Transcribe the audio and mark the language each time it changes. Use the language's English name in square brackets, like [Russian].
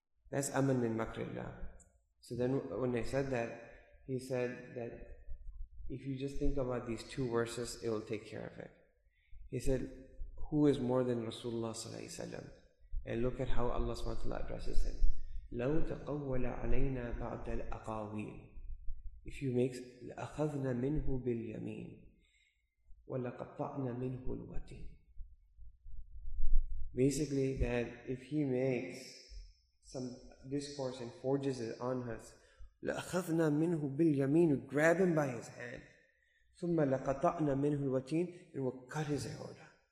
[English] That's [Arabic] aman min makrillah. [English] So then when I said that, he said that, if you just think about these two verses, it will take care of it. He said, who is more than Rasulullah sallallahu alayhi wa sallam? And look at how Allah subhanahu wa ta'ala addresses him. [Arabic] لَوْ تَقَوَّلَ عَلَيْنَا بَعْدَ الْأَقَاوِيلِ, [English] if you make, [Arabic] لَأَخَذْنَا مِنْهُ بِالْيَمِينِ وَلَقَطَعْنَا مِنْهُ الْوَتِينِ. [English] Basically that if he makes some discourse and forges it on us, [Arabic] لَأَخَذْنَا مِنْهُ بِالْيَمِينُ, [English] grab him by his hand. [Arabic] ثُمَّ لَقَطَعْنَا مِنْهُ الْوَتِينُ, [English] and we'll cut his aorta.